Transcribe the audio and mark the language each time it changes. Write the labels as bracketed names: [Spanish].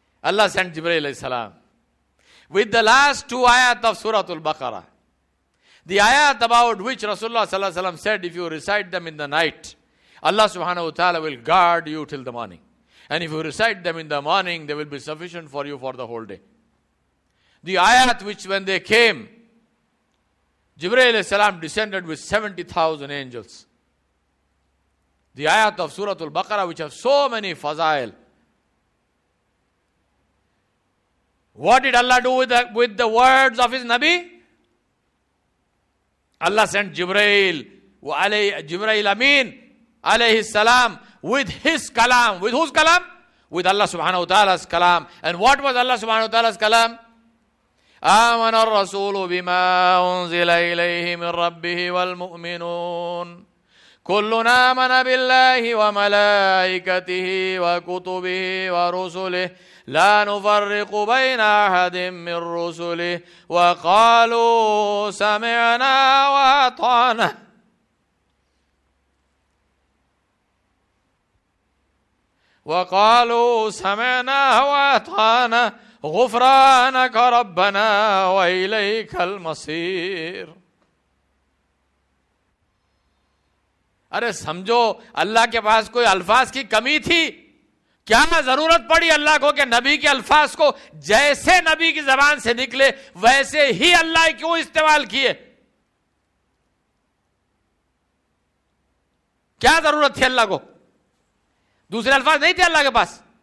[English] اللہ سینٹ جبرائیل علیہ السلام with the last two آیات of سورۃ البقرہ the آیات about which رسول اللہ صلی اللہ علیہ وسلم said if you recite them in the night اللہ سبحانہ وتعالی will guard you till the morning and if you recite them in the morning they will be sufficient for you for the whole day the آیات which when they came Jibreel as-salam descended with 70,000 angels. The ayat of Surah Al-Baqarah, which have so many fazail. What did Allah do with the words of his Nabi? Allah sent Jibreel, Jibreel Amin, alayhi salam, with his kalam. With whose kalam? With Allah subhanahu wa ta'ala's kalam. And what was Allah subhanahu wa ta'ala's kalam? [Arabic] آمن الرسول بما أنزل إليه من ربه والمؤمنون كلنا آمن بالله وملائكته وكتبه ورسله لا نفرق بين أحد من رسله وقالوا سمعنا وأطعنا وقالوا سمعنا وأطعنا غفرانك ربنا وإليك المصير [Urdu] ارے سمجھو اللہ کے پاس کوئی الفاظ کی کمی تھی کیا ضرورت پڑی اللہ کو کہ نبی کے الفاظ کو جیسے نبی کی زبان سے نکلے ویسے ہی اللہ کیوں استعمال کیے کیا ضرورت تھی اللہ کو دوسرے الفاظ نہیں تھے اللہ کے پاس